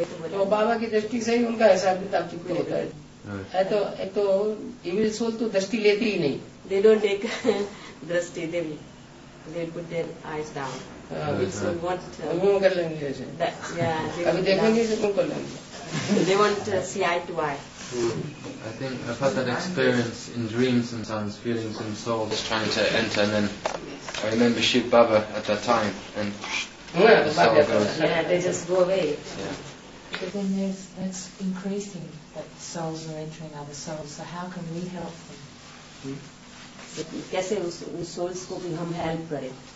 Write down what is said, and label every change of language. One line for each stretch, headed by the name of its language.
Hindi: तो बाबा की दृष्टि से ही उनका हिसाब किताब चुप्पी होता है। है तो एक तो इविल सोल तो दृष्टि लेती ही नहीं,
English: they don't take दृष्टि, they put their eyes down,
Hindi: evil soul want वो कर लेंगे ऐसे, अभी देखेंगे इसे कौन कर लेंगे,
English: They want see eye to eye. I think I've had that experience in dreams sometimes, feeling some souls trying to enter, and then I remember Shiv Baba at that time, and the soul goes. Yeah, they just go away. Yeah. But then that's increasing, that souls are entering other souls, so how can we help them?
Hindi: कैसे उस souls को भी हम help करें?